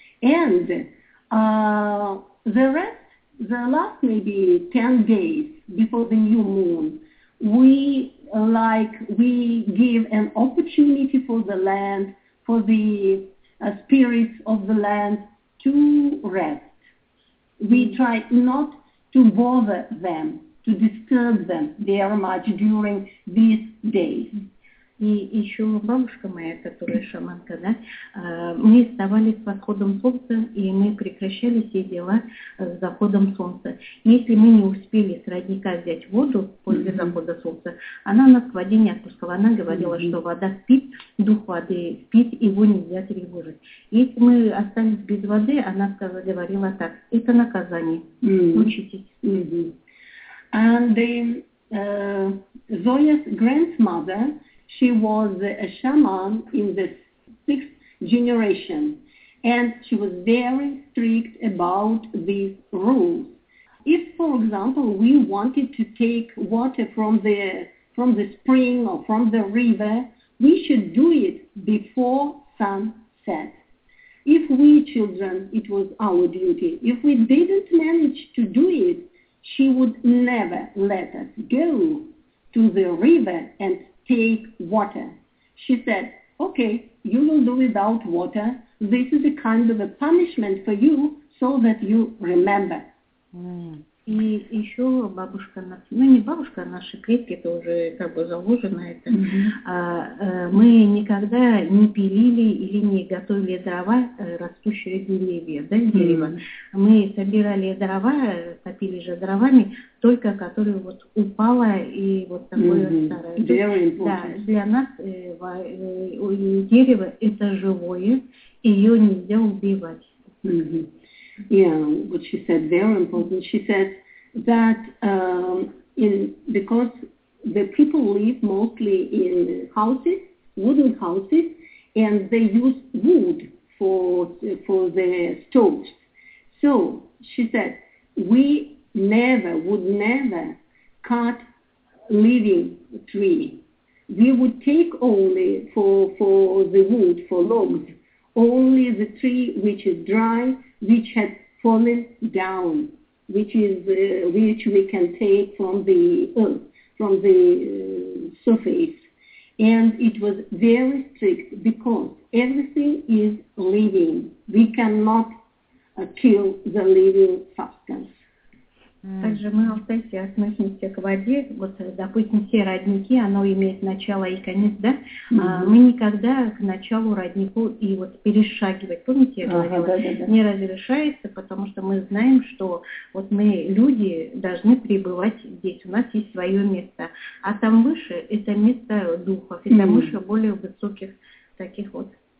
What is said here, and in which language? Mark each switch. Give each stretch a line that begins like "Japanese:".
English: And the rest, the last maybe 10 days before the new moon, we give an opportunity for the land, for the spirits of the land to rest. We try not to bother them, to disturb them very much during these days.
Russian: И еще бабушка моя, которая шаманка, да, мы вставали с восходом солнца, и мы прекращали все дела с заходом солнца. Если мы не успели с родника взять воду после захода солнца, она нас к воде не отпускала. Она говорила, что вода спит, дух воды спит, его нельзя тревожить. Если мы остались без воды, она говорила так, это наказание, учитесь.
English: Zoya's grandmother, she was a shaman in the sixth generation, and she was very strict about these rules. If, for example, we wanted to take water from the spring or from the river, we should do it before sunset. If we children, it was our duty. If we didn't manage to do it, she would never let us go to the river and take water. She said, okay, you will do without water. This is a kind of a punishment for you so that you remember.
Russian: И еще бабушка, ну не бабушка, а наши предки, это уже как бы заложено это. Мы никогда не пилили или не готовили дрова, растущие деревья, да, дерево. Мы собирали дрова, топили же дровами, только которые вот упало и вот такое старое. Да, для нас дерево это живое, ее нельзя убивать.
English: Yeah, what she said, very important. She said that because the people live mostly in houses, wooden houses, and they use wood for their stoves. So she said, we would never cut living tree. We would take only for the wood, for logs, only the tree which is dry, which had fallen down, which we can take from the earth, from the surface. And it was very strict because everything is living. We cannot kill the living substance.
Russian: Также мы Алтайцы относимся к воде, вот, допустим, все родники, оно имеет начало и конец, да? Мы никогда к началу роднику и вот перешагивать, помните, я говорила, не разрешается, потому что мы знаем, что вот мы, люди, должны пребывать здесь, у нас есть свое место, а там выше это место духов, это выше более высоких таких вот.